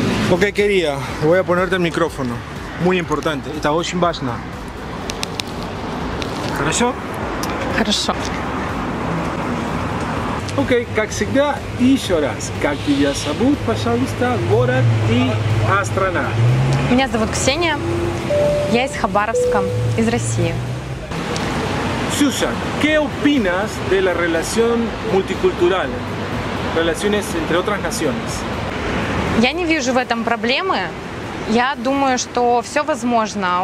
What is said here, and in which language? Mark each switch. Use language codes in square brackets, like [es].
[es] Okay, querida, voy a ponerte el micrófono. Muy importante. [ru] Está очень важно. Хорошо? Хорошо. Окей, как всегда, еще раз. Как тебя зовут, пожалуйста, город и страна? Меня зовут Ксения. Я из Хабаровска, из России. [es] Сюша, ¿qué opinas de la relación multicultural? Relaciones entre otras naciones. [ru] Я не вижу в этом проблемы. Я думаю, что все возможно.